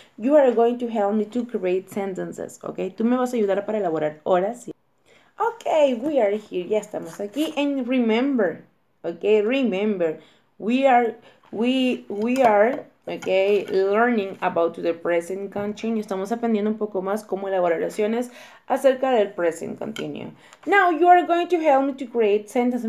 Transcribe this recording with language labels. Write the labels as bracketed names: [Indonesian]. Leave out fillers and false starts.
[English] You are going to help me to create sentences. Ok? [Spanish] Tú me vas a ayudar para elaborar oraciones. [English] Ok, we are here. [Spanish] Ya estamos aquí. [English] And remember. Ok? Remember. We are... Ok, learning about the present continue. [Spanish] Estamos aprendiendo un poco más cómo elaborar oraciones acerca del present continue. [English] Now you are going to help me to create sentences.